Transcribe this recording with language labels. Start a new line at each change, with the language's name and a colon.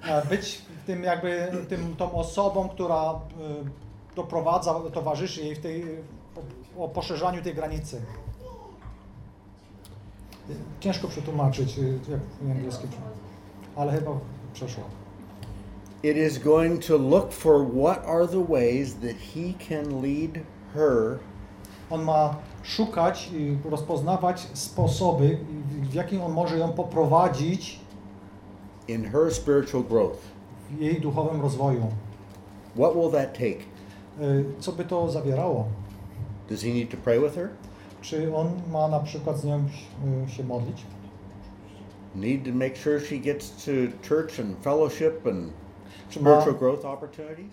Polish: Być tym jakby tą osobą, która doprowadza, towarzyszy jej w tej, o poszerzaniu tej granicy. Ciężko przetłumaczyć, jak w angielskim, ale chyba przeszło.
English: It is going to look for what are the ways that he can lead her.
Polish: On ma szukać i rozpoznawać sposoby, w jaki on może ją poprowadzić
English: in her spiritual growth.
Polish: W jej duchowym rozwoju.
English: What will that take?
Polish: Co by to zawierało?
English: Does he need to pray with her?
Polish: Czy on ma na przykład z nią się modlić?
English: Need to make sure she gets to church and fellowship and spiritual growth opportunity?